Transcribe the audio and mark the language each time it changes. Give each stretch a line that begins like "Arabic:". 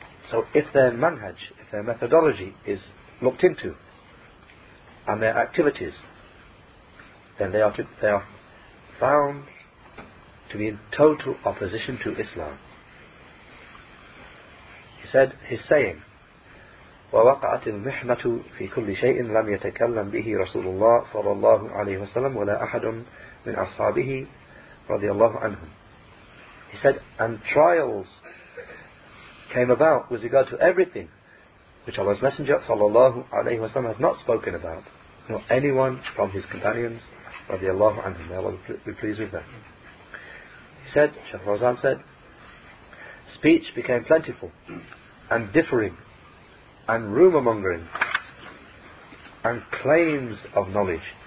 English: So if their manhaj, if their methodology is looked into, and their activities, then they are found to be in total opposition to Islam. He said, his saying,
Arabic: وَوَقَعَتِ الْمِحْنَةُ فِي كُلِّ شَيْءٍ لَمْ يَتَكَلَّمْ بِهِ رَسُولُ اللَّهِ صَلَى اللَّهُ عَلَيْهِ وَسَلَمْ وَلَا أَحَدٌ مِنْ أَصْحَابِهِ رَضِيَ اللَّهُ عَنْهُمْ.
English: He said, and trials came about with regard to everything which Allah's Messenger sallallahu alayhi wa sallam had not spoken about, nor anyone from his companions radiallahu anhum, may Allah be pleased with them. He said, Sheikh Fawzan said, speech became plentiful and differing and rumour mongering and claims of knowledge.